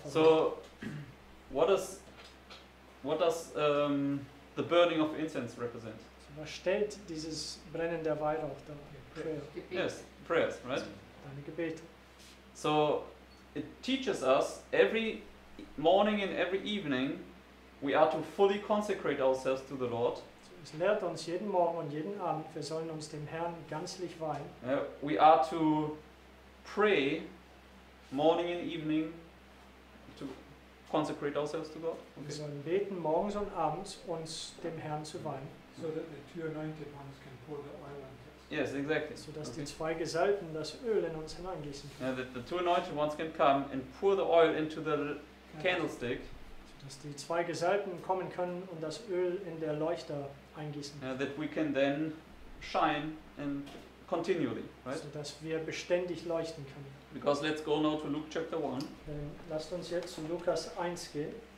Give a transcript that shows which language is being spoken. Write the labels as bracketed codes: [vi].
[en] So, what does the burning of incense represent? So, [de] was stellt dieses Brennen der Weihrauch dar? [en] Yes, prayers, right? [de] Deine Gebete. [en] So, it teaches us every morning and every evening we are to fully consecrate ourselves to the Lord. [de] Es lehrt uns jeden Morgen und jeden Abend, wir sollen uns dem Herrn ganzlich weihen. [en] We are to pray morning and evening to consecrate ourselves to God. [de] Okay. Wir sollen beten morgens und abends, uns dem Herrn zu weihen. [en] So that the two anointed ones can pour the oil on us. Yes, exactly. [de] So dass die zwei Gesalbten das Öl in uns hineingießen können. [en] Yeah, that the two anointed ones can come and pour the oil into the candlestick. [de] Dass die zwei Gesalbten kommen können und das Öl in der Leuchter eingießen. [en] Yeah, that we can then shine and continually, right? [de] So dass wir beständig leuchten können. [en] Because let's go now to Luke chapter 1. [de] Lasst uns jetzt zu Lukas 1 gehen.